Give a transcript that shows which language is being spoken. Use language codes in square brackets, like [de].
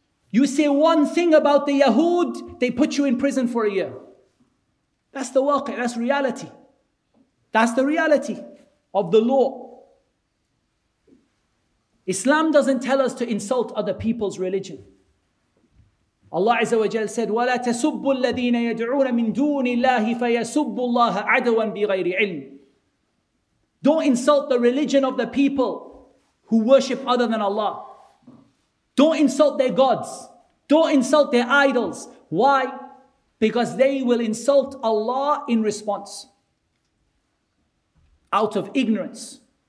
[en] You say one thing about the Yahud, they put you in prison for a year. That's the waqi, that's reality. That's the reality of the law. Islam doesn't tell us to insult other people's religion. Allah Azza wa Jal said, [ar] وَلَا تَسُبُّ الَّذِينَ يَدْعُونَ مِن دُونِ اللَّهِ فَيَسُبُّ اللَّهَ عَدْوًا بِغَيْرِ عِلْمٍ. [en] Don't insult the religion of the people who worship other than Allah. Don't insult their gods. Don't insult their idols. Why? Because they will insult Allah in response, out of ignorance,